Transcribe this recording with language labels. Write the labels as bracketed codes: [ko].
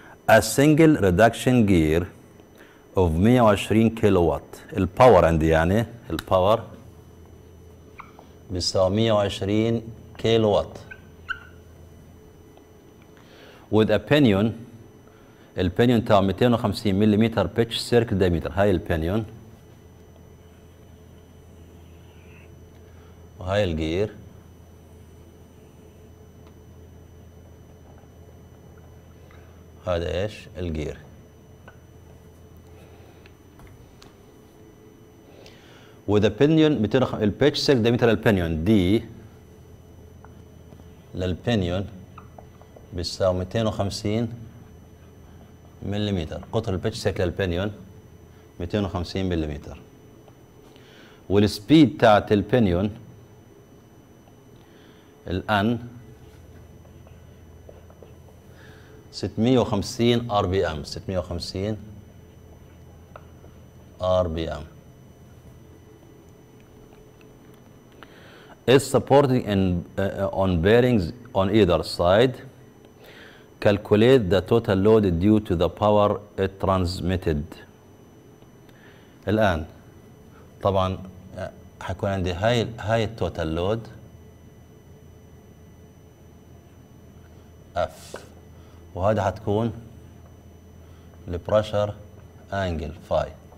[en] A single reduction gear of 120 kilowatt. [ar] الباور عندي يعني الباور بيساوي 120 كيلو وات. [en] With a pinion, the pinion [ar] تاع 250 مليمتر [en] pitch circle diameter. [ar] هاي البينيون وهاي الجير. هذا ايش الجير. [en] With a pinion, the pitch circle diameter pinion D للpinion [ar] بيساوي 250 مليمتر. قطر البيتش سيركل البينيون 250 مليمتر. والسبيد تاعت البينيون الان 650 ار بي ام. 650 ار بي ام. [en] is supporting in on bearings on either side. Calculate the total load due to the power it transmitted. [ar] الآن طبعا حكون عندي هاي التوتال لود F وهذا حتكون البرشر أنجل فاي.